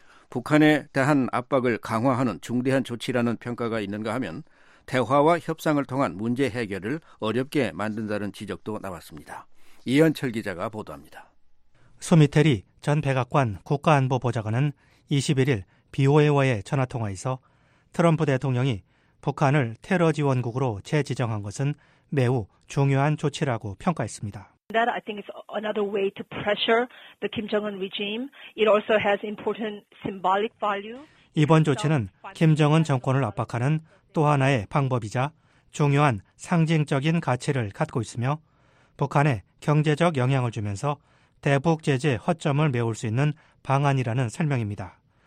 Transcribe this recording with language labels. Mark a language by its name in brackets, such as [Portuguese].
[Korean] 북한에 대한 압박을 강화하는 중대한 조치라는 평가가 있는가 하면 대화와 협상을 통한 문제 해결을 어렵게 만든다는 지적도 나왔습니다. 이현철 기자가 보도합니다. 수미테리 전 백악관 국가안보보좌관은 21일 BOA와의 전화통화에서 트럼프 대통령이 북한을 테러 지원국으로 재지정한 것은 매우 중요한 조치라고 평가했습니다. [English] That I think is another way to pressure the Kim Jong-un regime. It also has important symbolic value. [Korean] 이번 조치는 김정은 정권을 압박하는 또 하나의 방법이자 중요한 상징적인 가치를 갖고 있으며 북한에 경제적 영향을 주면서 대북 제재 허점을 메울 수 있는 방안이라는 설명입니다.